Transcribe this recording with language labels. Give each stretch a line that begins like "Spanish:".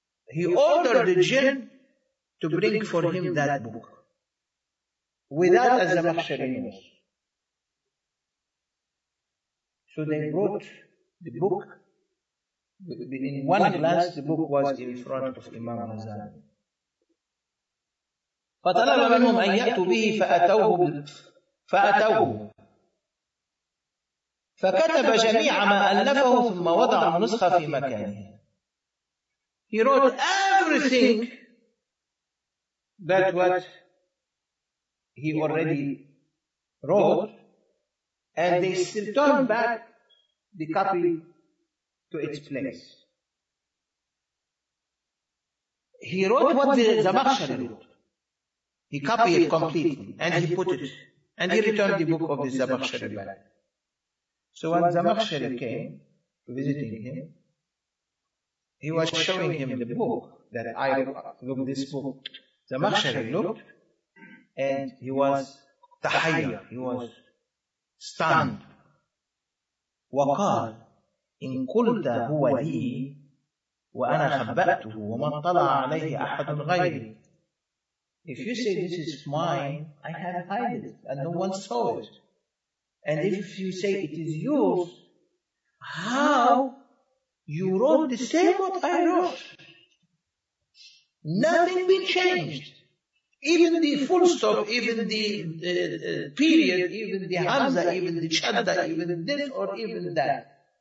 English: He ordered the jinn to bring for him that book, without Az-Zamakhshari. So they brought the book. In one glance, the book was in front of Imam Ghazali.
Arabic: فطلب منهم أن يأتوا به فأتوه فكتب جميع ما ألفه ثم وضع النسخة في مكانه.
English: He wrote everything that what he already wrote, and they still turned back the copy to its place. He wrote what the Baksha wrote. He copied it completely and he put it, and he returned the book of the Zabakhshari back. So when Zabakhshari came visiting him, he was showing him the book that I look this book. Zabakhshari looked and he was tahayya, he was stunned.
Arabic: وقال إن قلت هو لي وأنا خبأته وما طلع عليه أحد غيري.
English: If you say this is mine, I have hide it and no one saw it. And if you say it is yours, how you wrote the same what I wrote? Nothing been changed. Even the full stop, even the period, even the hamza, even the shadda, even this or even that.